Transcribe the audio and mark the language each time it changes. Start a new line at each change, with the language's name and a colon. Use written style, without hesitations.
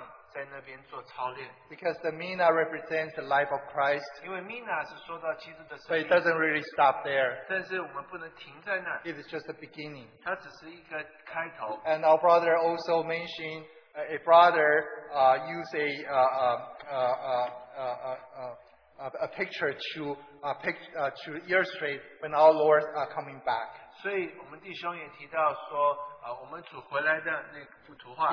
Chinese: 所以做交易其实就是我们属灵的生命上在那边做操练。
English: Because the Mina represents the life of Christ.
Chinese: 因为Mina是说到基督的生命,
English: but it doesn't really stop there.
Chinese: 但是我们不能停在那儿,
English: it is just the beginning.
Chinese: 它只是一个开头。
English: And our brother also mentioned a brother used a picture to illustrate when our Lord are coming back.
Chinese: 所以我们弟兄也提到说, 我们主回来的那幅图画,